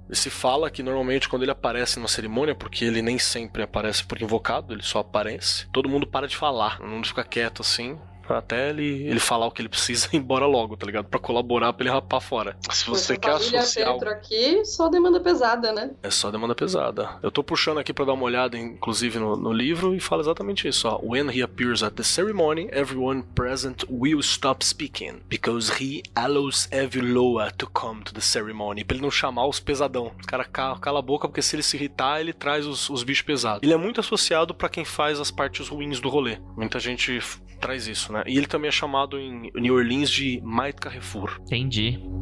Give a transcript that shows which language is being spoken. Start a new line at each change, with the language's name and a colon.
Portuguese: E se fala que normalmente quando ele aparece numa cerimônia, porque ele nem sempre aparece por invocado, ele só aparece, todo mundo para de falar, todo mundo fica quieto assim. Até ele falar o que ele precisa e ir embora logo, tá ligado? Pra colaborar, pra ele rapar fora. Se você quer associar... Se a família aqui, só demanda pesada, né? É só demanda pesada. Eu tô puxando aqui pra dar uma olhada, inclusive, no livro, e fala exatamente isso, ó.
English: When he appears at the ceremony, everyone present will stop speaking, because he allows every Loa to come to the ceremony.
Portuguese: Pra ele não chamar os pesadão. O cara cala a boca, porque se ele se irritar, ele traz os bichos pesados. Ele é muito associado pra quem faz as partes ruins do rolê. Muita gente traz isso. Né? E ele também é chamado em New Orleans de Might Carrefour. Entendi.